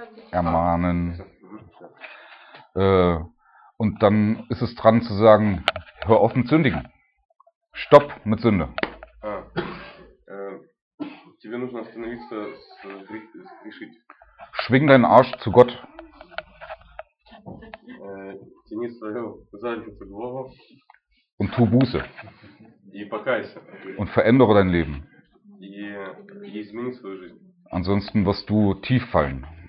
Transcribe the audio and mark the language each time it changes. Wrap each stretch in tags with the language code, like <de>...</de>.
<de>Ermahnen. Und dann ist es dran zu sagen, hör auf mit Sündigen. Стоп, мы Сünde.</de> <ru>Тебе нужно остановиться, решить.</ru> <de>Schwing deinen Arsch zu Gott.</de> <ru>Тяни свою задницу к Богу.</ru> <de>Und tu Buße.</de> <ru>И покайся.</ru> <de>Und verändere dein Leben.</de> <ru>И измени свою жизнь.</ru> <de>Ansonsten wirst du tief fallen.</de>